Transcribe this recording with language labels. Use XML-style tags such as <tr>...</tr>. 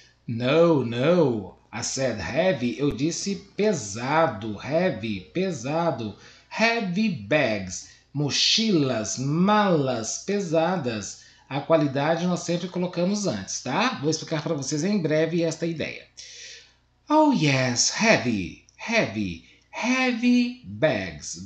<en>No, I said heavy,</en> <pt>eu disse pesado,</pt> <en>heavy,</en> <pt>pesado,</pt> <en>heavy bags.</en> <pt>Mochilas, malas pesadas. A qualidade nós sempre colocamos antes, tá? Vou explicar para vocês em breve esta ideia.</pt> <en>Oh, yes, heavy, heavy, heavy bags.</en>